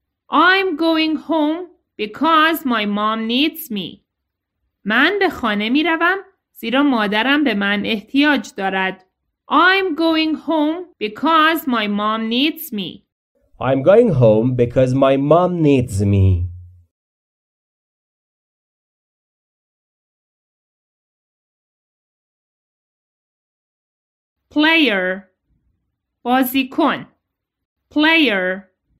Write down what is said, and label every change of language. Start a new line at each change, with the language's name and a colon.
English: I'm going home because my mom needs me.
Persian: من به خانه می روم زیرا مادرم به من احتیاج دارد.
English: I'm going home because my mom needs me. I'm going home because my mom needs me. Player. بازیکن. Player.